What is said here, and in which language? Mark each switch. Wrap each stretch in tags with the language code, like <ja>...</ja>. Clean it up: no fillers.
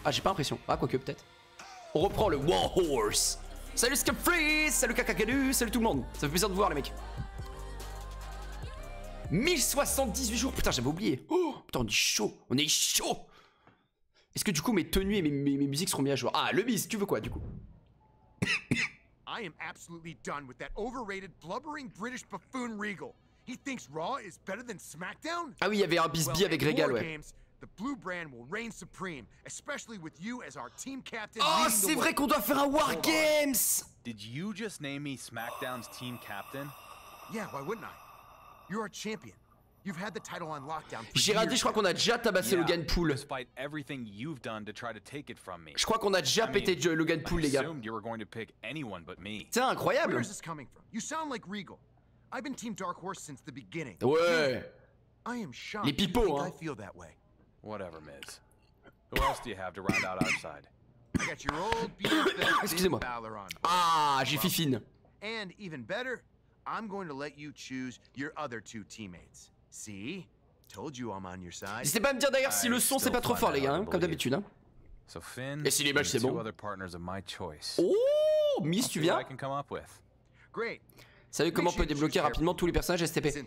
<fr>Ah, j'ai pas l'impression, ah quoique peut-être. On reprend le War Horse. Salut Skip Freeze, salut Kakakadu, salut tout le monde. Ça fait plaisir de vous voir les mecs. 1078 jours, putain j'avais oublié. Oh putain, on est chaud. Est-ce que du coup mes tenues et mes musiques seront bien à jour? Ah, le Miz, tu veux quoi du coup?</fr> <en>I am absolutely done with that overrated blubbering British buffoon Regal. He thinks Raw is better than SmackDown?</en> <fr>Ah oui, il y avait un bisbee avec Regal, ouais.</fr> <en>The blue brand will reign supreme, especially with you as our team captain.</en> <fr>Oh, c'est vrai qu'on doit faire un War Games.</fr> <en>Did you just name me SmackDown's team captain? Yeah, why wouldn't I? You're a champion. You've had the title on lockdown.</en> <fr>J'ai rien dit, je crois qu'on a déjà tabassé Logan Paul.</fr> <en>Despite everything you've done to try to take it from me.</en> <fr>Je crois qu'on a déjà pété Logan Paul, les gars.</fr> <en>I assumed you were going to pick anyone but me.</en> <fr>C'est incroyable.</fr> <en>Where is this coming from? You sound like Regal. I've been team Dark Horse since the beginning.</en> <fr>Ouais.</fr> <en>I am shocked.</en> <fr>Les pipos, hein.</fr> <en>I feel that way. Whatever, Miz. Who else do you have to round out our side? I got your old beef.</en> <fr>Excusez-moi. Balor on. Ah, j'ai fifine.</fr> <en>And even better, I'm going to let you choose your other two teammates. See? Told you I'm on your side.</en> <fr>N'hésitez pas à me dire d'ailleurs si le son c'est pas trop fort, les gars, hein, comme d'habitude. Hein.</fr> <en>So Finn.</en> <fr>Et si l'image c'est bon.</fr> <en>Two other partners of my choice.</en> <fr>Oh, Miz, tu viens?</fr> <en>I can come up with. Great.</en> <fr>Savez comment on peut débloquer rapidement tous les personnages STP?</fr>